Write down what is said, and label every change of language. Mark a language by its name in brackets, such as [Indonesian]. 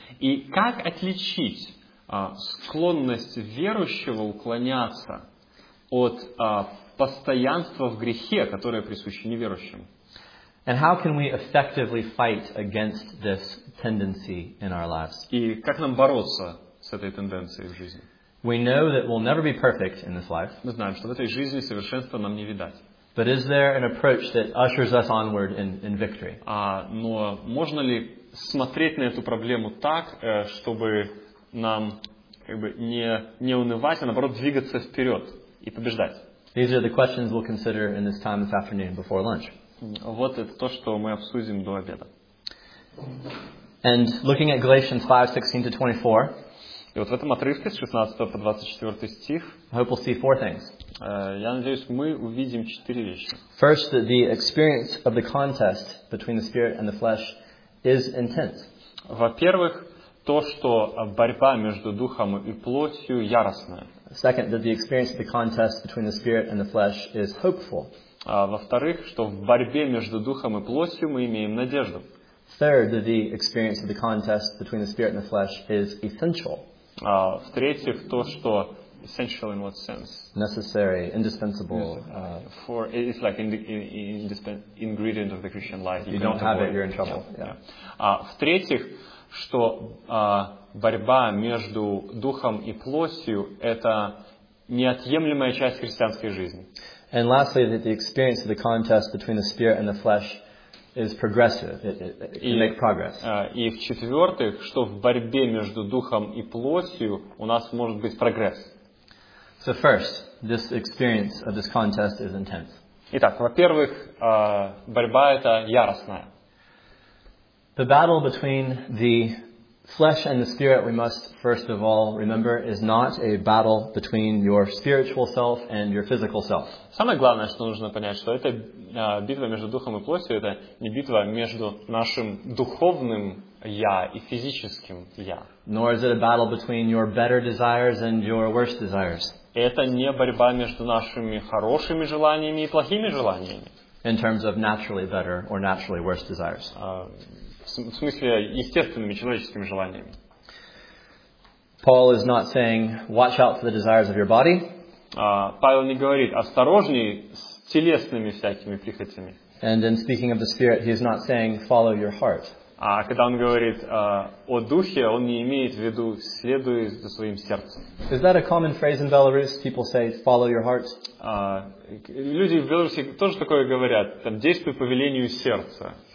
[Russian] И как отличить склонность верующего уклоняться от постоянства в грехе, которое присуще неверующим? [English] And how can we effectively fight against this tendency in our lives? [Russian] И как нам бороться с этой тенденцией в жизни? [English] We know that we'll never be perfect in this life. [Russian] Мы знаем, что в этой жизни совершенства нам не видать. [English] But is there an approach that ushers us onward in victory? [Russian] Но можно ли смотреть на эту проблему так, чтобы нам как бы не унывать, а наоборот двигаться вперед и побеждать? [English] These are the questions we'll consider in this time this afternoon before lunch. [Russian] Вот это то, что мы обсудим до обеда. [English] And looking at Galatians 5:16-24. [Russian] И вот в этом отрывке с 16 по 24 стих. [English] I hope we'll see four things. [Russian] Я надеюсь, мы увидим четыре вещи. [English] First, that the experience of the contest between the spirit and the flesh is intense. [Russian] Во-первых, то, что борьба между духом и плотью яростная. [English] Second, that the experience of the contest between the spirit and the flesh is hopeful. [Russian] Во-вторых, что в борьбе между духом и плотью мы имеем надежду. [English] Third, that the experience of the contest between the spirit and the flesh is essential. [Russian] В-третьих, то, что [English] essential in what sense? Necessary, indispensable. For it's like ingredient of the Christian life. You don't have it, you're in trouble. [Russian] В-третьих, что борьба между духом и плотью – это неотъемлемая часть христианской жизни. [English] And lastly, that the experience of the contest between the spirit and the flesh is progressive. It can make progress. [Russian] И в-четвертых, что в борьбе между духом и плотью у нас может быть прогресс. [English] So first, this experience of this contest is intense. [Russian] Итак, во-первых, борьба эта яростная. [English] The battle between the flesh and the spirit, we must first of all remember, is not a battle between your spiritual self and your physical self. [Russian] Самое главное, что нужно понять, что это битва между духом и плотью, это не битва между нашим духовным я и физическим я. [English] Nor is it a battle between your better desires and your worse desires. [Russian] Это не борьба между нашими хорошими желаниями и плохими желаниями. [English] In terms of naturally better or naturally worse desires. [Russian] В смысле естественными человеческими желаниями. [English] Paul is not saying watch out for the desires of your body. [Russian] Павел не говорит осторожней с телесными всякими прихотями. [English] And in speaking of the spirit, he is not saying follow your heart. [Russian] А когда он говорит о духе, он не имеет в виду следуй за своим сердцем. [English] Is that a common phrase in Belarus? People say follow your heart. [Russian] Люди в Беларуси тоже такое говорят, там действуй по велению сердца.